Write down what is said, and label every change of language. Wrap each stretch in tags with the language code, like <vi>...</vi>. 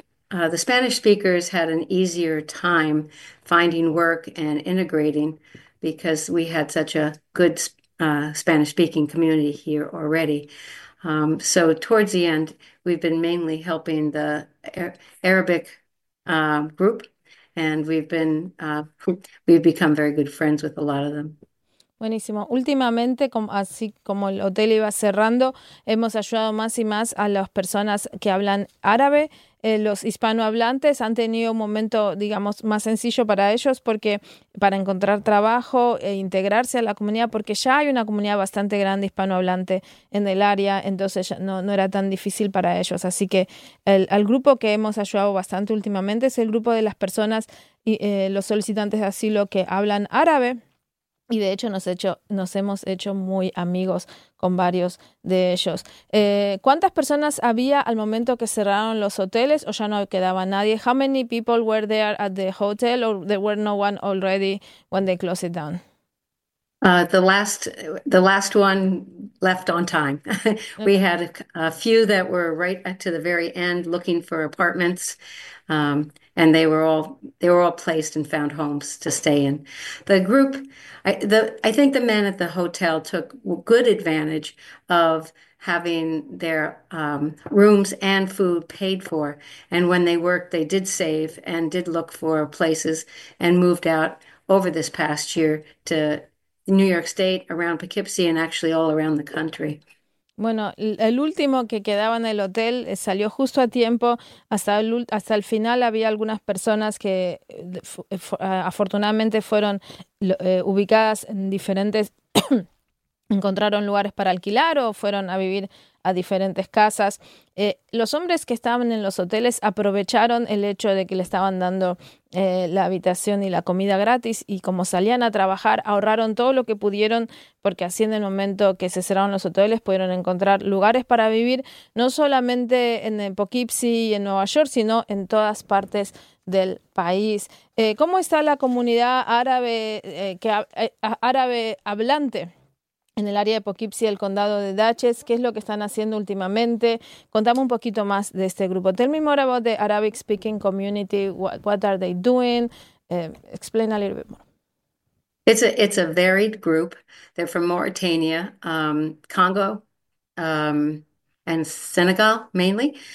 <en>The Spanish speakers had an easier time finding work and integrating because we had such a good Spanish speaking community here already. So towards the end, we've been mainly helping the Arabic group. And we've become very good friends with a lot of them.</en> <es>Buenísimo. Últimamente, así como el hotel iba cerrando, hemos ayudado más y más a las personas que hablan árabe. Los hispanohablantes han tenido un momento, digamos, más sencillo para ellos porque para encontrar trabajo e integrarse a la comunidad, porque ya hay una comunidad bastante grande hispanohablante en el área, entonces no era tan difícil para ellos. Así que el grupo que hemos ayudado bastante últimamente es el grupo de las personas y los solicitantes de asilo que hablan árabe. Y de hecho nos hemos hecho muy amigos con varios de ellos. ¿Cuántas personas había al momento que cerraron los hoteles o ya no quedaba nadie?</es> <en>How many people were there at the hotel or there were no one already when they closed it down? The last one left on time. We Okay. had a few that were right at to the very end looking for apartments, and they were all placed and found homes to stay in. The group, I think the men at the hotel took good advantage of having their rooms and food paid for, and when they worked, they did save and did look for places and moved out over this past year to New York State, around Poughkeepsie, and actually all around the country.</en> <es>Bueno, el último que quedaba en el hotel salió justo a tiempo. Hasta el final había algunas personas que afortunadamente fueron ubicadas en diferentes, encontraron lugares para alquilar o fueron a vivir a diferentes casas. Los hombres que estaban en los hoteles aprovecharon el hecho de que le estaban dando la habitación y la comida gratis y como salían a trabajar, ahorraron todo lo que pudieron porque así en el momento que se cerraron los hoteles pudieron encontrar lugares para vivir, no solamente en el Poughkeepsie y en Nueva York, sino en todas partes del país. ¿Cómo está la comunidad árabe, árabe hablante? En el área de Poughkeepsie, el condado de Dutchess, ¿qué es lo que están haciendo últimamente? Contame un poquito más de este grupo.</es> <en>Tell me more about the Arabic speaking community. What are they doing? Explain a little bit more. It's a varied group. They're from Mauritania, Congo, and Senegal mainly.</en>